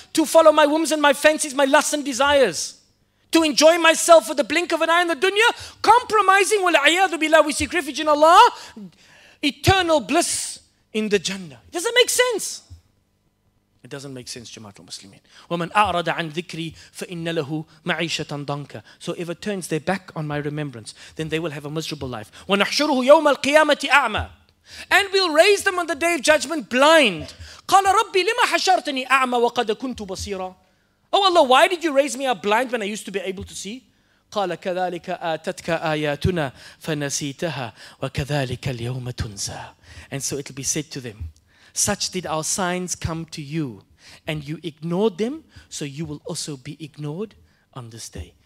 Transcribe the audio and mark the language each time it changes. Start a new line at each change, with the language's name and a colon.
English: To follow my whims and my fancies, my lusts and desires, to enjoy myself with the blink of an eye in the dunya, compromising,
Arabic: وَالْعَيَاذُ بِاللَّهِ,
English: we seek refuge in Allah, eternal bliss in the Jannah. Does it make sense? It doesn't make sense, Jamaat al-Muslimin.
Arabic: وَمَنْ أَعْرَضَ عَنْ ذِكْرِي فَإِنَّ لَهُ مَعِيشَةً ضَنْكًا.
English: So if it turns their back on my remembrance, then they will have a miserable life.
Arabic: وَنَحْشُرُهُ يَوْمَ الْقِيَامَةِ أَعْمَى.
English: And we'll raise them on the day of judgment blind.
Arabic: قَالَ رَبِّي لِمَ حَشَرْتَنِي أَعْمَى وَقَدْ كُنْتُ بَصِيرًا.
English: Oh Allah, why did you raise me up blind when I used to be able to see?
Arabic: قَالَ كَذَلِكَ آتَتْكَ آيَاتُنَا فَنَسِيتَهَا وَكَذَلِكَ الْيَوْمَ تُنْسَى.
English: And so it'll be said to them, such did our signs come to you, and you ignored them, so you will also be ignored on this day.